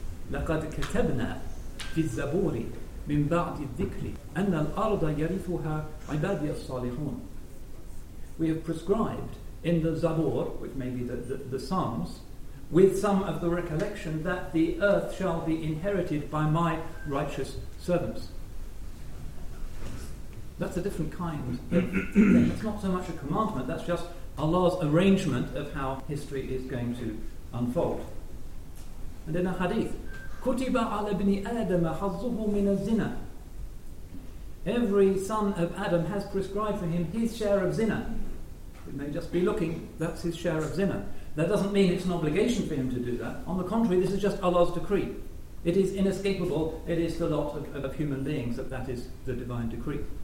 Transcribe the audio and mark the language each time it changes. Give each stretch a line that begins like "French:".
Arabic: لَقَدْ كَتَبْنَا فِي الزَّبُورِ مِنْ بَعْدِ الذِّكْرِ أَنَّ الْأَرْضَ يَرِثُهَا عِبَادِيَ الصَّالِحُونَ
English: We have prescribed in the Zabur, which may be the Psalms, with some of the recollection that the earth shall be inherited by my righteous servants. That's a different kind of thing. It's not so much a commandment, that's just Allah's arrangement of how history is going to unfold. And in a hadith,
Arabic: كُتِبَ عَلَى بْنِ آدَمَ حَظُّهُ مِنَ الزِّنَى.
English: Every son of Adam has prescribed for him his share of zina. It may just be looking, that's his share of zina. That doesn't mean it's an obligation for him to do that. On the contrary, this is just Allah's decree. It is inescapable, it is the lot of human beings that is the divine decree.